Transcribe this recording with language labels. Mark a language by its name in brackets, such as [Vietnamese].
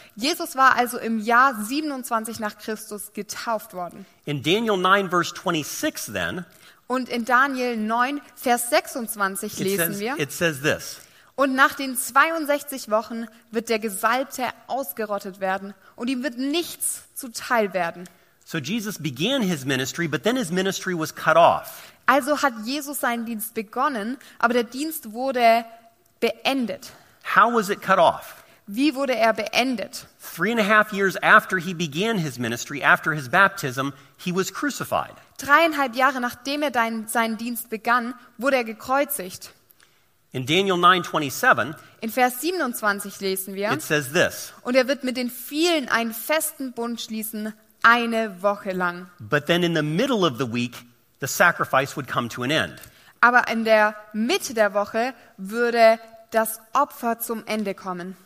[German] Jesus war also im Jahr 27 nach Christus getauft worden. [English] In Daniel 9 verse 26 then. [German] Und in Daniel 9 Vers 26 lesen wir. [English] It says this. [German] Und nach den 62 Wochen wird der Gesalbte ausgerottet werden und ihm wird nichts zuteil werden. [English] So Jesus began his ministry, but then his ministry was cut off. [German] Also hat Jesus seinen Dienst begonnen, aber der Dienst wurde beendet. [English] How was it cut off? [German] Wie wurde er beendet? [English] 3.5 years after he began his ministry, after his baptism, he was crucified. [German] 3.5 Jahre nachdem er seinen Dienst begann, wurde er gekreuzigt. [English] In Daniel 9:27, [German] in Vers 27 lesen wir, [English] it says this, [German] und er wird mit den vielen einen festen Bund schließen, eine Woche lang. [English] But then in the middle of the week, the sacrifice would come to an end. [German] Aber in der Mitte der Woche würde das Opfer zum Ende kommen.